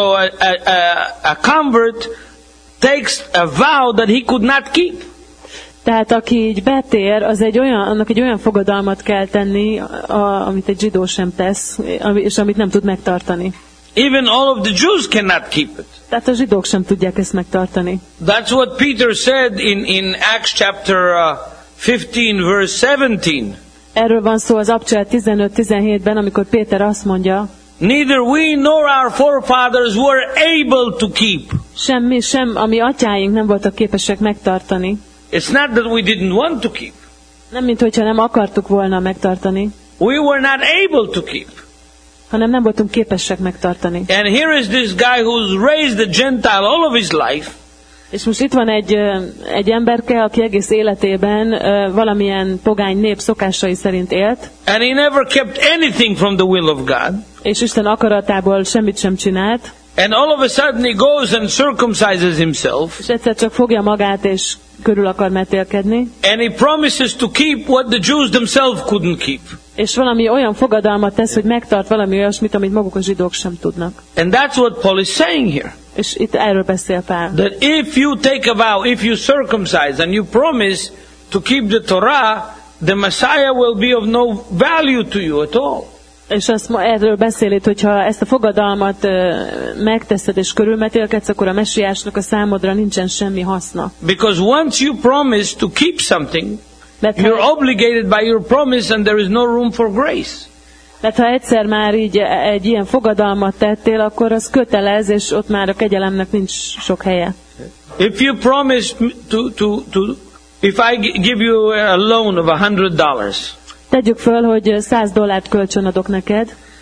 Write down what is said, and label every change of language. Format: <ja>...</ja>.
<en>So a convert takes a vow that he could not keep.</en> <hu>Tehát aki így betér, az egy olyan, annak egy olyan fogadalmat kell tenni, amit egy zsidó sem tesz, és amit nem tud megtartani.</hu> <en>Even all of the Jews cannot keep it.</en> <hu>Tehát a zsidók sem tudják ezt megtartani.</hu> <en>That's what Peter said in Acts chapter 15 verse 17.</en> <hu>Erről van szó az Apcsel 15-17-ben, amikor Péter azt mondja:</hu> <en>Neither we nor our forefathers were able to keep.</en> <hu>Semmi sem, ami atyáink nem voltak képesek megtartani.</hu> <en>It's not that we didn't want to keep.</en> <hu>Nem, mint hogyha nem akartuk volna megtartani.</hu> <en>We were not able to keep.</en> <hu>Hanem nem voltunk képesek megtartani.</hu> <en>And here is this guy who's raised a Gentile all of his life.</en> <hu>És most itt van egy emberke, aki egész életében valamilyen pogány nép szokásai szerint élt.</hu> <en>And he never kept anything from the will of God.</en> <hu>És Isten akaratából semmit sem csinált.</hu> <en>And all of a sudden he goes and circumcises himself.</en> <hu>És egyszer csak fogja magát és körül akar metélkedni.</hu> <en>And he promises to keep what the Jews themselves couldn't keep.</en> <hu>És valami olyan fogadalmat tesz, hogy megtart valami olyasmit, amit maguk a zsidók sem tudnak.</hu> <en>And that's what Paul is saying here.</en> <hu>És itt erről beszél Pál.</hu> <en>That if you take a vow, if you circumcise and you promise to keep the Torah, the Messiah will be of no value to you at all.</en> <hu>És azt ma erről beszél itt, hogyha ezt a fogadalmat megteszed és körülmetélkedsz, akkor a Messiásnak a számodra nincsen semmi haszna.</hu> <en>Because once you promise to keep something,</en> <hu>mert</hu> <en>you're obligated by your promise and there is no room for grace.</en> <hu>Mert ha egyszer már így egy ilyen fogadalmat tettél, akkor az kötelez, és ott már a kegyelemnek nincs sok helye.</hu> <en>If you promise to if I give you a loan of $100,</en> <hu>tegyük föl, hogy $100 kölcsön adok neked.</hu>